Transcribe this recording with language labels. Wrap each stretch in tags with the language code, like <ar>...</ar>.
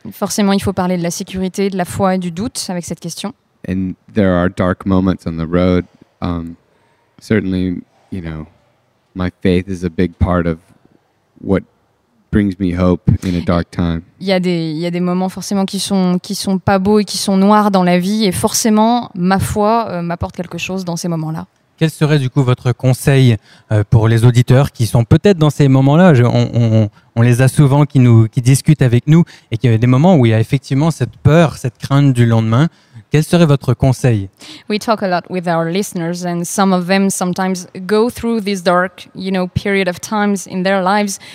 <fr>Forcément, il faut parler de la sécurité, de la foi et du doute avec cette question.</fr> <en>And there are dark moments on the road. Certainly, you know, my faith is a big part of what brings me hope in a dark time.</en> <fr>Il y a des moments forcément qui sont pas beaux et qui sont noirs dans la vie, et forcément ma foi m'apporte quelque chose dans ces moments-là. Quel serait du coup votre conseil pour les auditeurs qui sont peut-être dans ces moments-là? On les a souvent qui discutent avec nous et qu'il y a des moments où il y a effectivement cette peur, cette crainte du lendemain. Quel serait votre conseil?</fr> <en>We talk a lot with our listeners, and some of them sometimes go through this dark, you know, period of times in their lives.</en>